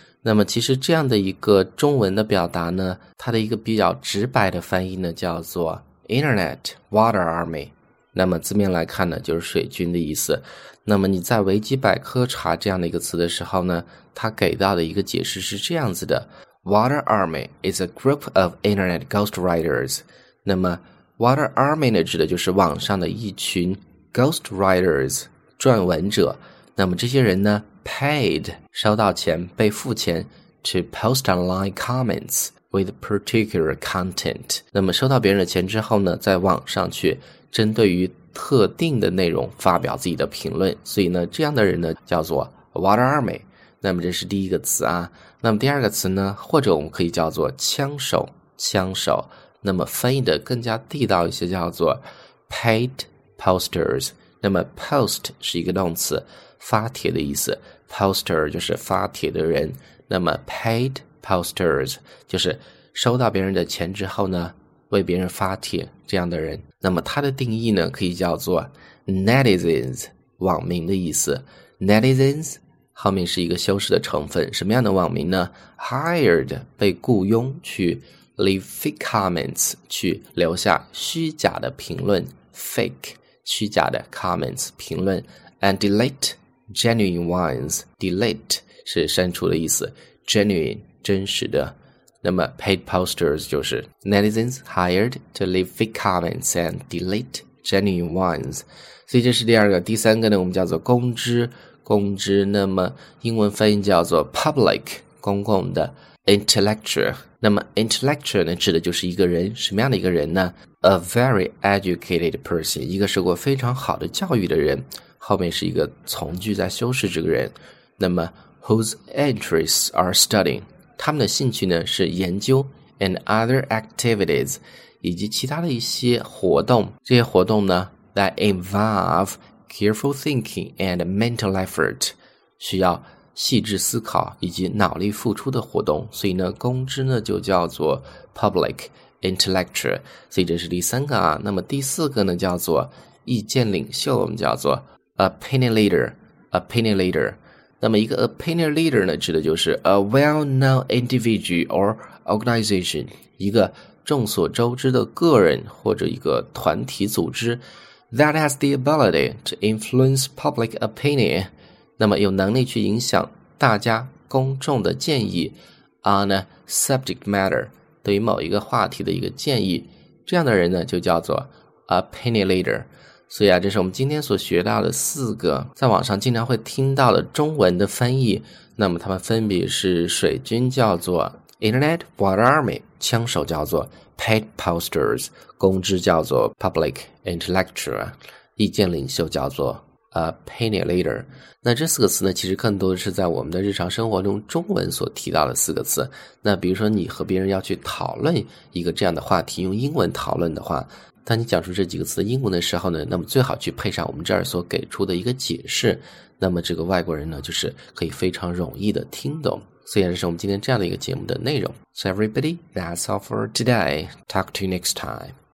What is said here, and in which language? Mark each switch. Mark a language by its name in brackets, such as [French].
[Chinese] 那么其实这样的一个中文的表达呢，它的一个比较直白的翻译呢叫做 [English] Internet Water Army。 [Chinese] 那么字面来看呢就是水军的意思。那么你在维基百科查这样的一个词的时候呢，它给到的一个解释是这样子的。 [English] Water Army is a group of internet ghostwriters. [Chinese] 那么 Water Army 呢指的就是网上的一群 ghostwriters, 撰文者。那么这些人呢 paid, 收到钱被付钱 [English] to post online comments with particular content. [Chinese] 那么收到别人的钱之后呢，在网上去针对于特定的内容发表自己的评论。所以呢这样的人呢叫做 Water Army。那么这是第一个词啊。那么第二个词呢，或者我们可以叫做枪手，枪手。那么翻译的更加地道一些叫做 [English] paid posters。 [Chinese] 那么 post 是一个动词，发帖的意思， poster 就是发帖的人。那么 paid posters 就是收到别人的钱之后呢为别人发帖这样的人。那么它的定义呢可以叫做 netizens， 网民的意思。 netizens后面是一个修饰的成分，什么样的网民呢？ hired 被雇佣去 [English] leave fake comments [Chinese] 去留下虚假的评论， fake 虚假的 comments 评论。 [English] and delete genuine ones， delete [Chinese] 是删除的意思， [English] genuine [Chinese] 真实的。那么 [English] paid posters [Chinese] 就是 [English] netizens hired to leave fake comments and delete genuine ones。 [Chinese] 所以这是第二个。第三个呢我们叫做公知，公知。那么英文翻译叫做 public， 公共的。 intellectual， 那么 intellectual 呢指的就是一个人，什么样的一个人呢？ [English] a very educated person， [Chinese] 一个受过非常好的教育的人，后面是一个从句在修饰这个人。那么 [English] whose interests are studying， [Chinese] 他们的兴趣呢是研究， [English] and other activities， [Chinese] 以及其他的一些活动。这些活动呢 [English] that involveCareful thinking and mental effort， [Chinese] 需要细致思考以及脑力付出的活动。所以呢公知呢就叫做 public intellectual。所以这是第三个啊。那么第四个呢叫做意见领袖，我们叫做 opinion leader， opinion leader。那么一个 opinion leader 呢指的就是 [English] a well known individual or organization， [Chinese] 一个众所周知的个人或者一个团体组织。 [English] That has the ability to influence public opinion， [Chinese] 那么有能力去影响大家公众的建议。 [English] On a subject matter， [Chinese] 对于某一个话题的一个建议，这样的人呢就叫做 opinion leader。所以啊这是我们今天所学到的四个在网上经常会听到的中文的翻译。那么他们分别是水军叫做 Internet Water Army， 枪手叫做Paid posters， 公知叫做 public intellectual， 意见领袖叫做 opinion leader。那这四个词呢其实更多的是在我们的日常生活中中文所提到的四个词。那比如说你和别人要去讨论一个这样的话题，用英文讨论的话，当你讲出这几个词的英文的时候呢，那么最好去配上我们这儿所给出的一个解释，那么这个外国人呢就是可以非常容易的听懂。所以这是我们今天这样的一个节目的内容。 [English] So everybody, that's all for today. Talk to you next time.